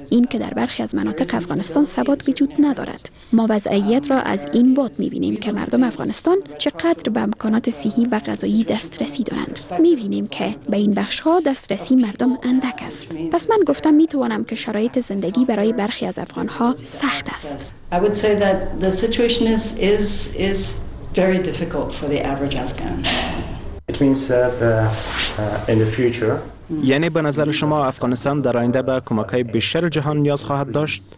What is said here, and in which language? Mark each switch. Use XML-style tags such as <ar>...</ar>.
<fa>این که در برخی از مناطق افغانستان ثبات وجود ندارد. ما وضعیت را از این بعد می‌بینیم که مردم افغانستان چقدر به امکانات صحی و غذایی دسترسی دارند. می‌بینیم که به این بخش‌ها دسترسی مردم اندک است. پس من گفتم می‌توانم که شرایط زندگی برای برخی از افغان‌ها سخت است.</fa> <en>I would say that the situation is very difficult for the average Afghan. It means that in the future.</en> <fa>یعنی به نظر شما افغانستان در آینده به کمک‌های بیشتر جهان نیاز خواهد داشت؟</fa>